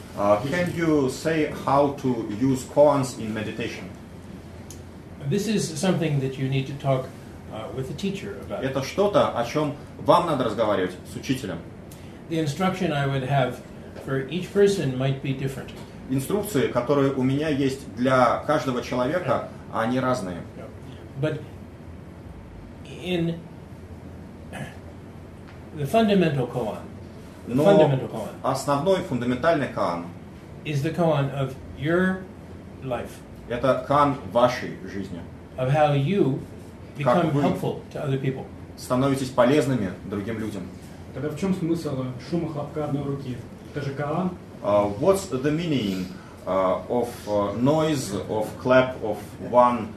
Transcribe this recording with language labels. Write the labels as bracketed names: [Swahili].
[English] Can you say how to use koans in meditation? This is something that you need to talk with the teacher about. [Russian] Это что-то, о чем вам надо разговаривать с учителем. [English] The instruction I would have for each person might be different. [Russian] Инструкции, которые у меня есть для каждого человека, они разные. [English] But in the fundamental koan, [Russian] основной фундаментальный коан [English] is the koan of your life. [Russian] Это коан вашей жизни. [English] Of how you become helpful to other people. [Russian] Становитесь полезными другим людям. Тогда в чем смысл шума хлопка одной руки? Это же коан. [English] What's the meaning of noise, of clap, of one